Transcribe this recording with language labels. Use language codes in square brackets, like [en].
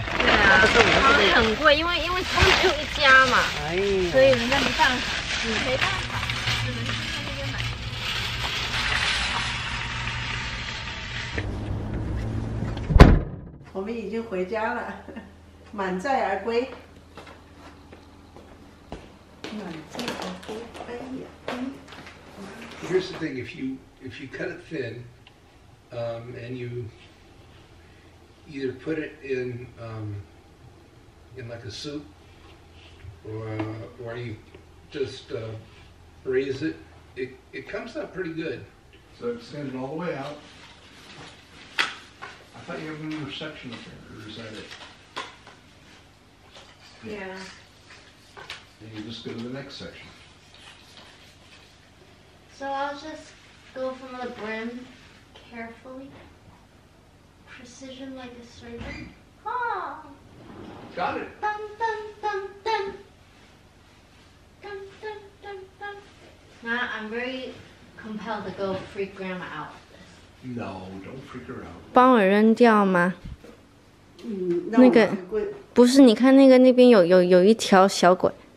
[zh] 对啊，他们很贵，因为他们只有一家嘛，哎，所以人家没办法，你没办法，只能去那边买。我们已经回家了，满载而归，满载而归。哎呀 [en] ，Here's the thing: if you cut it thin, and you either put it in like a soup, or you just braise it. It comes out pretty good. So extend it all the way out. I thought you had another section up there, or is that it? Yeah. And you just go to the next section. So I'll just go from the brim carefully. Precision like a surgeon. Oh. Got it. Dun, dun, dun, dun. Dun, dun, dun, dun. Now I'm very compelled to go freak grandma out. No, don't freak her out. [zh] 帮我扔掉吗？那个不是，你看那个那边有一条小鬼。